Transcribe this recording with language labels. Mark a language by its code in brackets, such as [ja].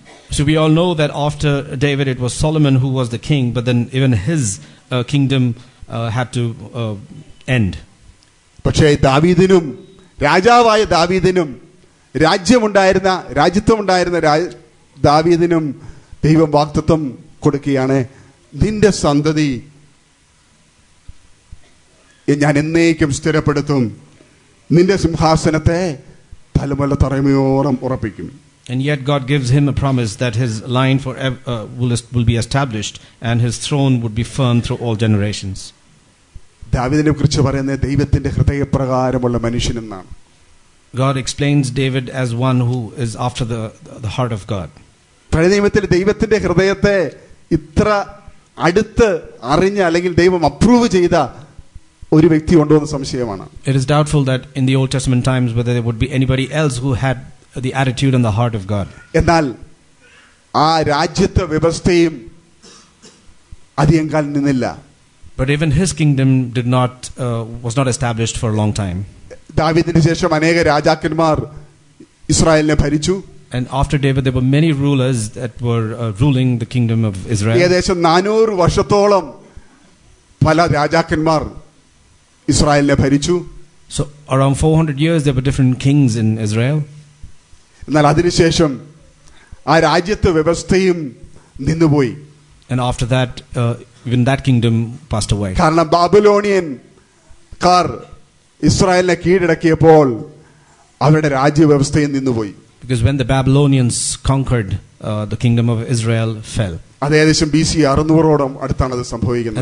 [en] So we all know that after David it was Solomon who was the king, but then even his kingdom had to end. [ml] പക്ഷേ ദാവീദിനും രാജാവായ ദാവീദിനും രാജ്യമുണ്ടായിരുന്ന രാജ്യത്വമുണ്ടായിരുന്ന ദാവീദിനും ദൈവം വാഗ്ദത്തം കൊടുക്കുകയാണ്, നിന്റെ സന്തതി ഞാൻ എന്നേക്കും സ്ഥിരപ്പെടുത്തും, നിന്റെ സിംഹാസനത്തെ തലമുറ തലമുറയോളം ഉറപ്പിക്കും. [en] And yet God gives him a promise that his line forever will be established and his throne would be firm through all generations. [ml] ദാവീദിനെ കുറിച്ച് പറയുന്നത് ദൈവത്തിന്റെ ഹൃദയപ്രകാരമുള്ള മനുഷ്യനെന്നാണ്. [en] God explains David as one who is after the heart of God. [ml] പഴയ നിയമത്തിൽ ദൈവത്തിന്റെ ഹൃദയത്തെ ഇത്ര അടുത്ത് അറിഞ്ഞ അല്ലെങ്കിൽ ദൈവം അപ്രൂവ് ചെയ്ത ഒരു വ്യക്തി ഉണ്ടോ എന്ന് സംശയമാണ്. [en] It is doubtful that in the Old Testament times whether there would be anybody else who had the attitude and the heart of God. [ml] എന്നാൽ ആ രാജ്യത്തെ വ്യവസ്ഥയും അധികങ്കാലം നിന്നില്ല. [en] But even his kingdom did not was not established for a long time. [ml] ദാവീദിന് ശേഷം അനേക രാജാക്കന്മാർ ഇസ്രായേലിനെ ഭരിച്ചു. [en] And after David there were many rulers that were ruling the kingdom of Israel. [ml] ഏകദേശം 400 വർഷത്തോളം പല രാജാക്കന്മാർ ഇസ്രായേലിനെ ഭരിച്ചു. [en] So around 400 years there were different kings in Israel. [ml] എന്നാൽ അതിനുശേഷം ആ രാജ്യത്തെ വ്യവസ്ഥയും നിന്നുപോയി. [en] And after that even that kingdom passed away. [ml] കാരണം ബാബിലോണിയൻകാർ ഇസ്രായേലിനെ കീഴടക്കിയപ്പോൾ അവരുടെ രാജ്യവ്യവസ്ഥയും നിന്നുപോയി. [en] Because when the Babylonians conquered the kingdom of Israel fell. [ml] അതേകദേശം BC 600 Odam അടുത്താണ് അത് സംഭവിക്കുന്നത്.